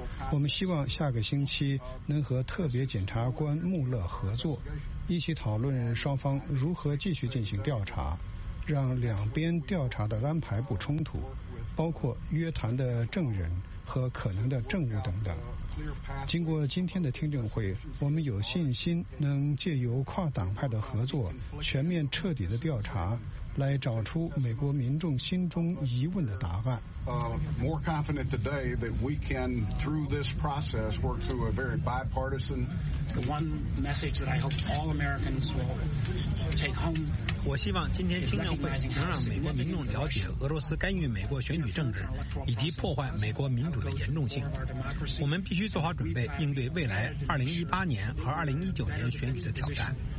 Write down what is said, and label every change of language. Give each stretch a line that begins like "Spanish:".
Chinese: 我们希望下个星期能和特别检察官穆勒合作，一起讨论双方如何继续进行调查，让两边调查的安排不冲突，包括约谈的证人和可能的证物等等。经过今天的听证会，我们有信心能借由跨党派的合作，全面彻底的调查，来找出美国民众心中疑问的答案。
English: More confident today that we can, through this process, work through a very bipartisan. The one message that I hope all Americans will take home.
Chinese: 我希望今天听证会能让美国民众了解俄罗斯干预美国选举政治以及破坏美国民主的严重性。我们必须做好准备，应对未来2018年和2019年选举的挑战。